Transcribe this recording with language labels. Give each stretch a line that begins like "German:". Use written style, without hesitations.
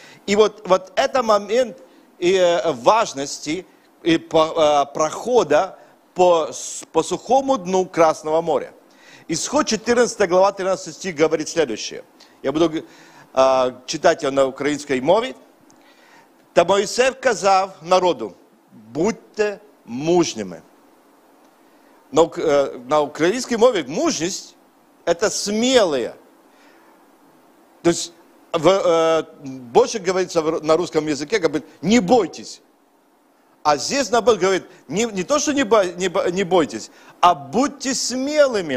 Russian: И вот это момент важности и прохода по сухому дну Красного моря. Исход 14 глава 13 стих говорит следующее. Я буду читать его на украинской мове.
Ukrainian: «Та Моисей сказав народу: будьте мужними».
Russian: Но на украинской мове мужность – это смелые. То есть больше говорится на русском языке, как бы: не бойтесь. А здесь наоборот говорит: не бойтесь, а будьте смелыми.